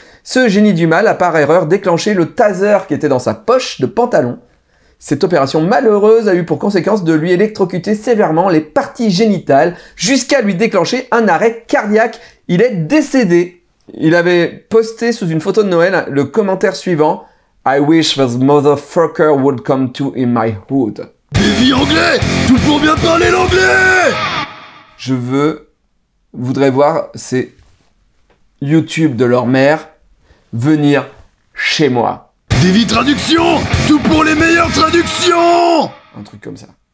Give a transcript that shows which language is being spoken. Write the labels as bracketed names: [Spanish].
[French] Ce génie du mal a par erreur déclenché le taser qui était dans sa poche de pantalon. Cette opération malheureuse a eu pour conséquence de lui électrocuter sévèrement les parties génitales jusqu'à lui déclencher un arrêt cardiaque. Il est décédé. Il avait posté sous une photo de Noël le commentaire suivant. [English] I wish this motherfucker would come to in my hood. [French] Baby anglais, tout pour bien parler l'anglais! Voudrais voir ces YouTube de leur mère venir chez moi. Baby traduction, tout pour les meilleures traductions! Un truc comme ça.